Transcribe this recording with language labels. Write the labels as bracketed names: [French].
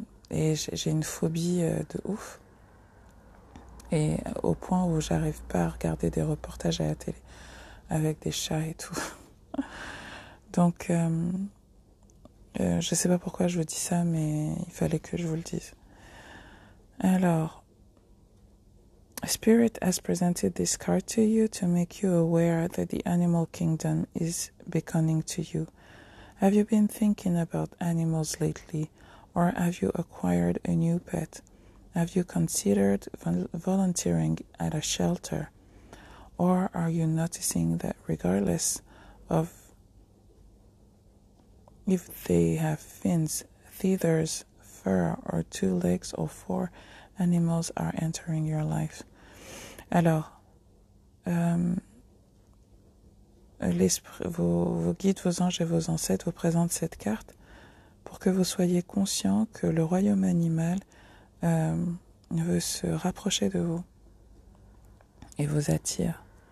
[French] Et j'ai une phobie de ouf. Et au point où j'arrive pas à regarder des reportages à la télé avec des chats et tout. Donc, je sais pas pourquoi je vous dis ça, mais il fallait que je vous le dise. [English] Alors, Spirit has presented this card to you to make you aware that the animal kingdom is beckoning to you. Have you been thinking about animals lately, or have you acquired a new pet? Have you considered volunteering at a shelter? Or are you noticing that regardless of if they have fins, feathers, fur, or two legs, or four, animals are entering your life. [French] Alors, l'esprit, vos guides, vos anges et vos ancêtres vous présentent cette carte pour que vous soyez conscient que le royaume animal veut se rapprocher de vous et vous attire.